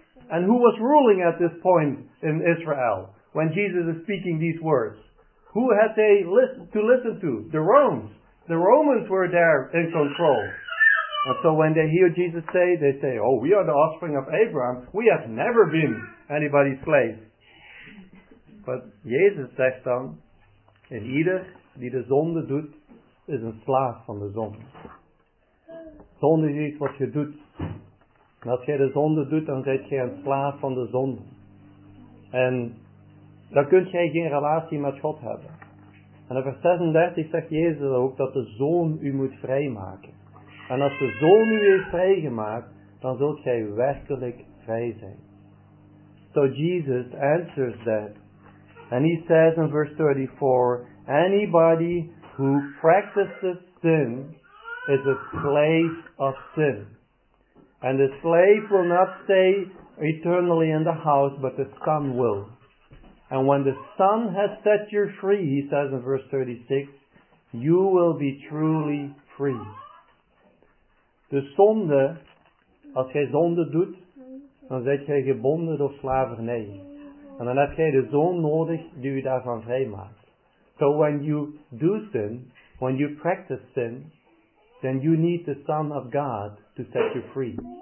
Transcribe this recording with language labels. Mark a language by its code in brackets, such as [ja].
[en] And who was ruling at this point in Israel when Jesus is speaking these words? Who had they listen to? The Romans. The Romans were there in control. And so when they hear Jesus say, they say, oh, we are the offspring of Abraham. We have never been anybody's slaves. [nl] But Jezus zegt dan, en ieder die de zonde doet, is een slaaf van de zonde. Zonde is iets wat je doet. En als jij de zonde doet, dan ben jij een slaaf van de zonde. En dan kun jij geen relatie met God hebben. En in vers 36 zegt Jezus ook dat de zoon u moet vrijmaken. En als de zoon u heeft vrijgemaakt, dan zult gij werkelijk vrij zijn. [en] So Jesus answers that. And he says in verse 34, anybody who practices sin is a slave of sin. And the slave will not stay eternally in the house, but the son will. And when the son has set you free, he says in verse 36, you will be truly free. [nl] De zonde, als jij zonde doet, dan ben jij gebonden door slavernij. En dan heb jij de zoon nodig die je daarvan vrijmaakt. [en] So when you do sin, when you practice sin, then you need the Son of God to set you free.